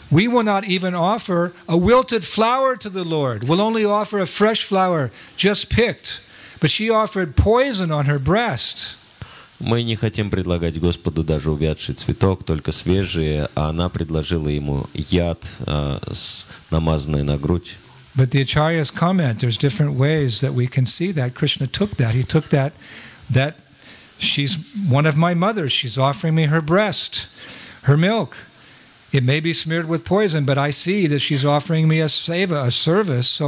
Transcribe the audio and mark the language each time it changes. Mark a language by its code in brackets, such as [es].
[en] We will not even offer a wilted flower to the Lord. We'll only offer a fresh flower, just picked. But she offered poison on her breast. [ru] Мы не хотим предлагать Господу даже увядший цветок, только свежие, а она предложила ему яд, намазанный на грудь. [en] But the Acharya's comment, there's different ways that we can see that Krishna took that. He took that she's one of my mothers. She's offering me her breast, her milk. It may be smeared with poison, but I see that she's offering me a seva, a service.